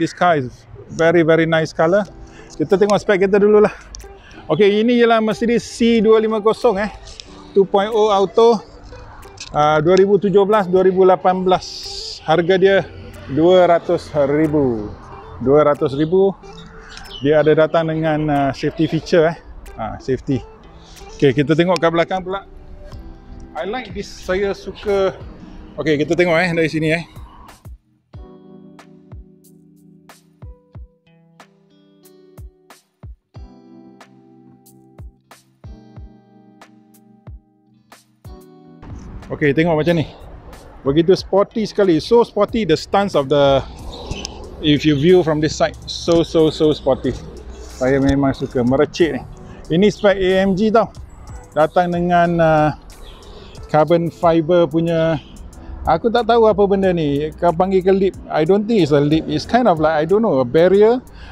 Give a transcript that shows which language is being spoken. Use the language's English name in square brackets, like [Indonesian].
[English] This car is very very nice color. [Malay] Kita tengok spek kita dululah. Okey, ini ialah Mercedes C250 eh. 2.0 auto 2017 2018. Harga dia 200,000. 200,000. Dia ada datang dengan safety feature eh. Safety. Okey, kita tengok kat belakang pula. [English] I like this. [Malay] Saya suka. Okey, kita tengok eh dari sini eh. Okey, tengok macam ni. Begitu sporty sekali. [English] So sporty, the stance of the, if you view from this side, so so so sporty. [Malay] Saya memang suka merecik ni. Ini spek AMG tau. Datang dengan carbon fiber punya. Aku tak tahu apa benda ni. Kau panggil ke lip. [English] I don't think it's a lip. It's kind of like, I don't know, a barrier.